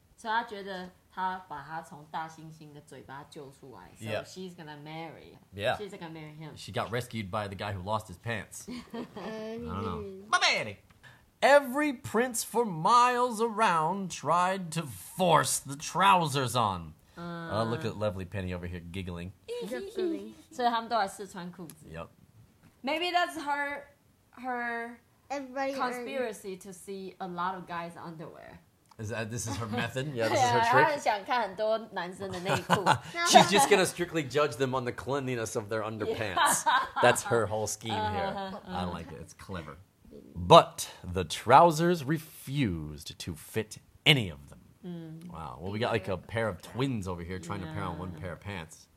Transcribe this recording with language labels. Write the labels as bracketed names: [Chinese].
[Chinese] So 她觉得她把她从大猩猩的嘴巴救出来 So [English] yeah. she's gonna marry Yeah She's gonna marry him She got rescued by the guy who lost his pants I don't know My manny Every prince for miles around tried to force the trousers on look at lovely Penny over here giggling [Chinese] So 他们都还是穿裤子 [English] Yep Maybe that's her conspiracy to see a lot of guys' underwear. This is her method? Yeah, this is her trick? [Chinese] 她很想看很多男生的内裤。 [English] She's just going to strictly judge them on the cleanliness of their underpants. That's her whole scheme here. I like it. It's clever. But the trousers refused to fit any of them. Wow. Well, we got like a pair of twins over here trying to pair on one pair of pants.